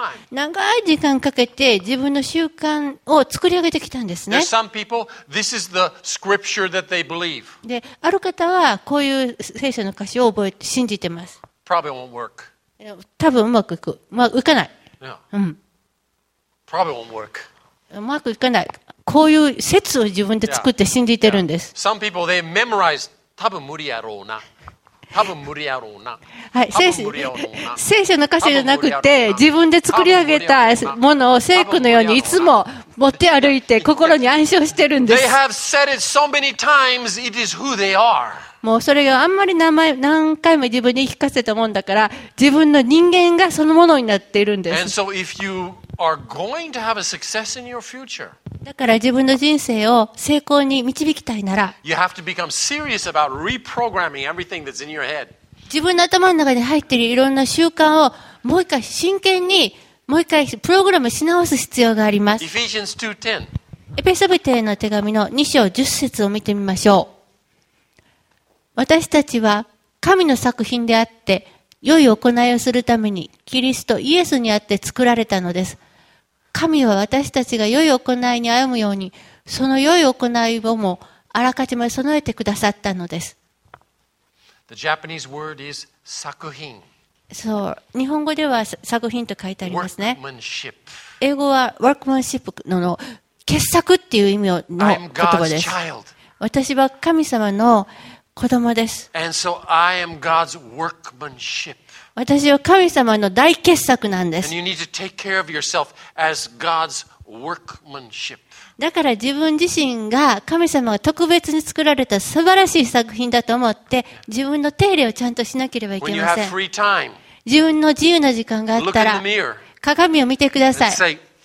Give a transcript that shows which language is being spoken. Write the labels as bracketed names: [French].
[Japanese] 長い時間かけて自分の習慣を作り上げてきたんですね。 [English] This is the scripture that they believe. [Japanese] で、ある方はこういう聖書の箇所を覚えて信じてます。 [English] Probably won't work. [Japanese] 多分うまくいく。まあ、いかない。 [English] Yeah. Probably won't work. [Japanese] うまくいかない。こういう説を自分で作って信じてるんです。 [English] Some people, they memorize. [Japanese] 多分無理やろうな。多分無理やろうな。はい、聖書の箇所じゃなくて、自分で作り上げたものを聖句のようにいつも持って歩いて心に暗唱してるんです。 [English] They have said it so many times, it is who they are. [Japanese] もうそれがあんまり何回も自分に聞かせたもんだから、自分の人間がそのものになっているんです。 [English] And so if you are going to have a success in your future, [Japanese] だから自分の人生を成功に導きたいなら、 [English] You have to become serious about reprogramming everything that's in your head. [Japanese] 自分の頭の中に入っているいろんな習慣をもう一回真剣にもう一回プログラムし直す必要があります。 [English] Ephesians 2:10. [Japanese] エペソビテへの手紙の2章10節を見てみましょう。私たちは神の作品であって、良い行いをするためにキリストイエスにあって作られたのです。神は私たちが良い行いに歩むように、その良い行いをもあらかじめ備えてくださったのです。 [English] The Japanese word is 作品。 [Japanese] そう、日本語では作品と書いてありますね。 [English] Workmanship. [Japanese] 英語は workmanship の傑作っていう意味の言葉です。私は神様の子供です。 [English] And so I am God's workmanship. [Japanese] 私は神様の大傑作なんです。 [English] And you need to take care of yourself as God's workmanship. [Japanese] だから自分自身が神様が特別に作られた素晴らしい作品だと思って自分の手入れをちゃんとしなければいけません。自分の自由な時間があったら鏡を見てください。